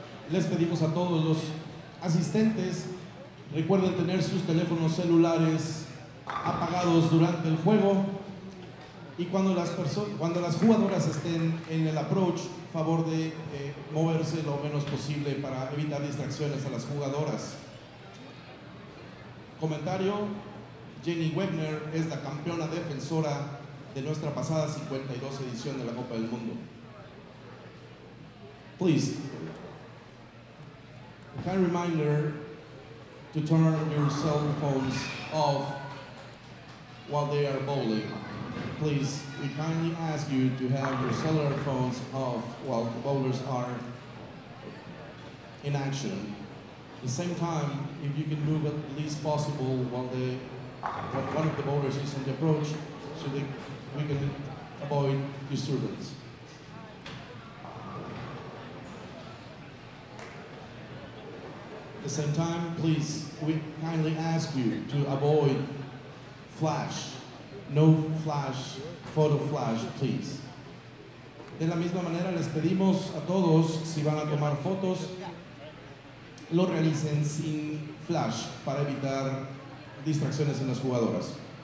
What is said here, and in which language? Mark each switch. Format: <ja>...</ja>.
<es>Les pedimos a todos los asistentes, recuerden tener sus teléfonos celulares apagados durante el juego y cuando las jugadoras estén en el approach, favor de moverse lo menos posible para evitar distracciones a las jugadoras. Comentario, Jenny Webner es la campeona defensora de nuestra pasada 52 edición de la Copa del Mundo.</es> <en>Please. A kind reminder to turn your cell phones off while they are bowling. Please, we kindly ask you to have your cellular phones off while the bowlers are in action. At the same time, if you can move at least possible while one of the bowlers is on the approach, so that we can avoid disturbance. At the same time, please, we kindly ask you to avoid flash, no flash, photo flash, please.</en> <es>De la misma manera, les pedimos a todos, si van a tomar fotos, lo realicen sin flash para evitar distracciones en las jugadoras.</es>